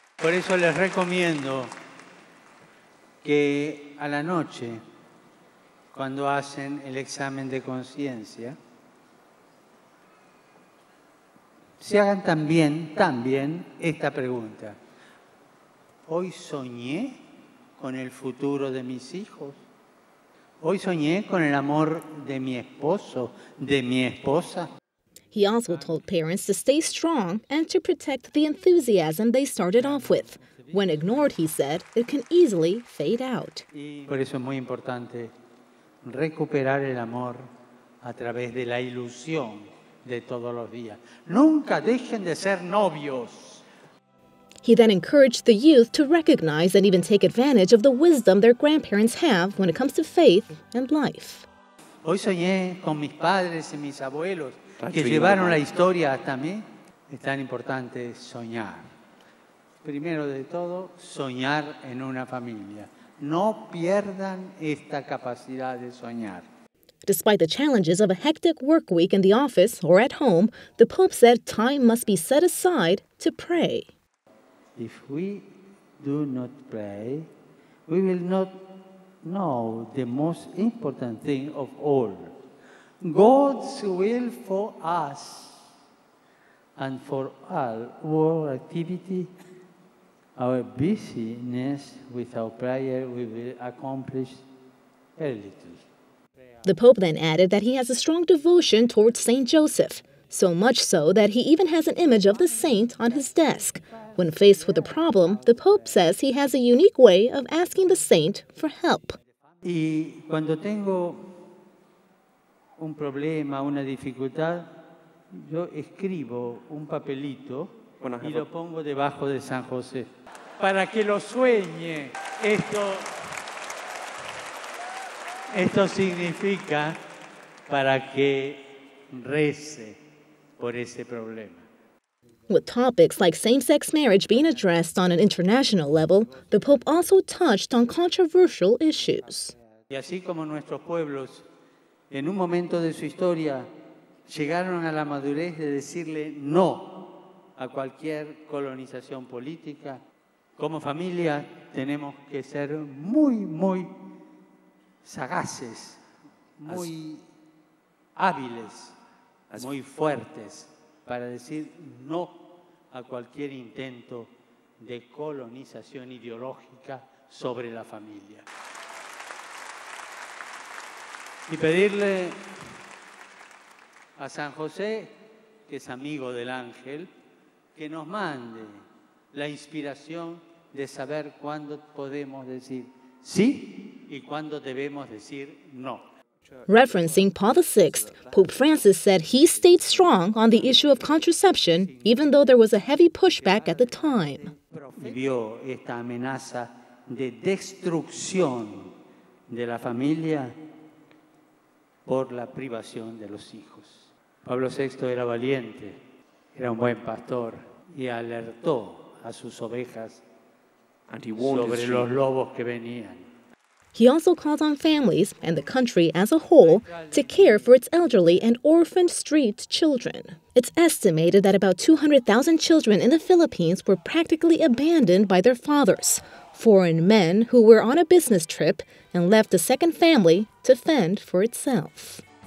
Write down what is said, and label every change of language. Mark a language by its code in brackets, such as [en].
[es] Por eso les recomiendo que a la noche, cuando hacen el examen de conciencia, se hagan también esta pregunta. ¿Hoy soñé con el futuro de mis hijos? ¿Hoy soñé con el amor de mi esposo, de mi esposa? [en] He also told parents to stay strong and to protect the enthusiasm they started off with. When ignored, he said, it can easily fade out. [es] Por eso es muy importante recuperar el amor a través de la ilusión de todos los días. Nunca dejen de ser novios. [en] He then encouraged the youth to recognize and even take advantage of the wisdom their grandparents have when it comes to faith and life. [es] Hoy soñé con mis padres y mis abuelos que llevaron la historia hasta mí. Es tan importante soñar. Primero de todo, soñar en una familia. No pierdan esta capacidad de soñar. [en] Despite the challenges of a hectic work week in the office or at home, the Pope said time must be set aside to pray. If we do not pray, we will not know the most important thing of all, God's will for us and for all our activity. Our busyness without prayer we will accomplish very little. The Pope then added that he has a strong devotion towards Saint Joseph, so much so that he even has an image of the saint on his desk. When faced with a problem, the Pope says he has a unique way of asking the saint for help. [es] Y cuando tengo un problema, una dificultad, yo escribo un papelito y lo pongo debajo de San José. Para que lo sueñe, esto significa para que rece por ese problema. [en] With topics like same-sex marriage being addressed on an international level, the Pope also touched on controversial issues. [es] Y así como nuestros pueblos, en un momento de su historia, llegaron a la madurez de decirle no a cualquier colonización política, como familia tenemos que ser muy, muy sagaces, muy hábiles, muy fuertes para decir no a cualquier intento de colonización ideológica sobre la familia. Y pedirle a San José, que es amigo del ángel, que nos mande la inspiración de saber cuándo podemos decir sí y cuándo debemos decir no. [en] Referencing Paul VI, Pope Francis said he stayed strong on the issue of contraception, even though there was a heavy pushback at the time. [es] Vio esta amenaza de destrucción de la familia por la privación de los hijos. Pablo VI era valiente, era un buen pastor y alertó a sus ovejas sobre los lobos que venían. [en] He also called on families and the country as a whole to care for its elderly and orphaned street children. It's estimated that about 200,000 children in the Philippines were practically abandoned by their fathers, foreign men who were on a business trip and left a second family to fend for itself.